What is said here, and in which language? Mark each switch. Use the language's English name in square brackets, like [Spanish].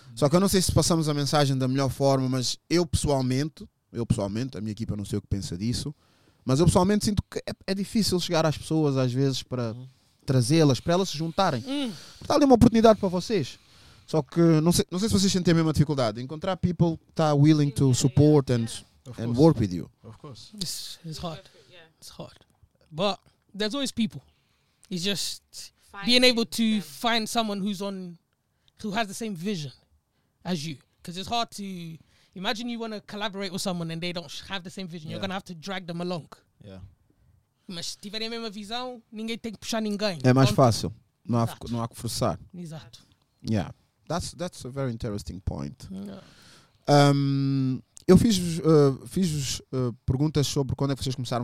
[Portuguese] Só que eu não sei se passamos a mensagem da melhor forma, mas eu pessoalmente, a minha equipa não sei o que pensa disso, mas eu pessoalmente sinto que é difícil chegar às pessoas às vezes para trazê-las, para elas se juntarem. Está ali uma oportunidade para vocês. Só que não sei se vocês sentem a mesma dificuldade. [English] Encontrar people [Portuguese] que está [English] willing to support and work with you. Of course. It's hard. But there's always people. It's just being able to find someone who has the same vision as you. Because it's hard to imagine you want to collaborate with someone and they don't have the same vision. Yeah. You're going to have to drag them along. Yeah. [Portuguese] Mas se tiverem a mesma visão, ninguém tem que puxar ninguém. É mais fácil. Não há que forçar. Exato. [English] Yeah. That's a very interesting point. Yeah. [Portuguese] Eu fiz-vos perguntas sobre quando é que vocês começaram.